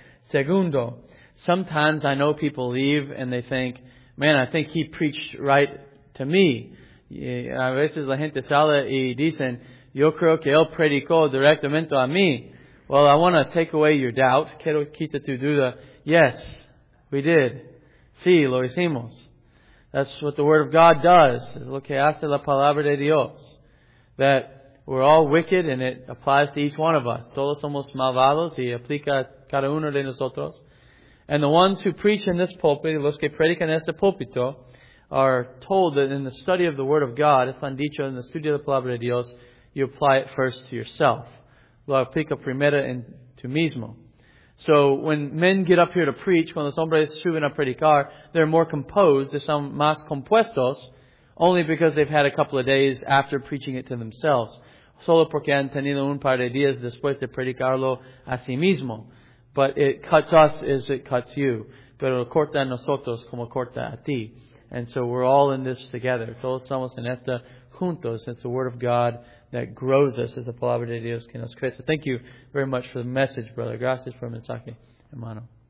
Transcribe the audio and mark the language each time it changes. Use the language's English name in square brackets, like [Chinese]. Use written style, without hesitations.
[English] Segundo, sometimes I know people leave and they think, man, I think he preached right to me. [Spanish] A veces la gente sale y dicen, yo creo que él predicó directamente a mí. [English] Well, I want to take away your doubt. [Spanish] Quiero quitar tu duda. [English] Yes, we did. [Spanish] Sí, lo hicimos. [English] That's what the Word of God does. [Spanish] Es lo que hace la palabra de Dios. [English] That we're all wicked and it applies to each one of us. [Spanish] Todos somos malvados y aplica a cada uno de nosotros. [English] And the ones who preach in this pulpit, [Spanish] los que predican este púlpito, [English] are told that in the study of the Word of God, [Spanish] están dicho en el estudio de la palabra de Dios, [English] you apply it first to yourself. [Spanish] Lo aplica primero en tú mismo. [English] So when men get up here to preach, [Spanish] cuando los hombres suben a predicar, [English] they're more composed, they're some [Spanish] más compuestos, [English] only because they've had a couple of days after preaching it to themselves. [Spanish] Solo porque han tenido un par de días después de predicarlo a sí mismo. [English] But it cuts us as it cuts you. [Spanish] Pero corta a nosotros como corta a ti. [English] And so we're all in this together. [Spanish] Todos somos en esta juntos. [English] It's the Word of God that grows us. [Spanish] Es la palabra de Dios que nos crece. [English] Thank you very much for the message, brother. [Spanish] Gracias por el mensaje, hermano.